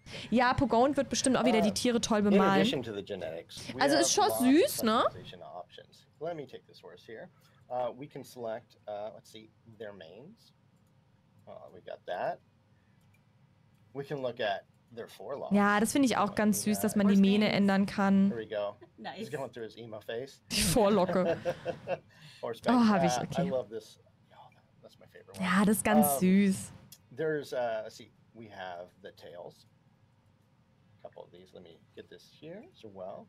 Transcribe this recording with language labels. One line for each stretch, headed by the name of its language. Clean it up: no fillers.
German: Ja, Pogon wird bestimmt auch wieder die Tiere toll bemalen. Also ist schon süß, ne?
English: Let me take this horse here. We can select, let's see, their manes. Oh, we got that. We can look at their forelocks.
German: Ja, das finde ich auch ganz süß, dass man die Mähne ändern kann.
English: Here we go. Nice. He's going through his emo face.
German: Die Vorlocke. Oh, habe ich, okay.
English: I love this. Oh, that's my favorite one.
German: Ja, das ist ganz süß.
English: There's, let's see, we have the tails. A couple of these. Let me get this here as well.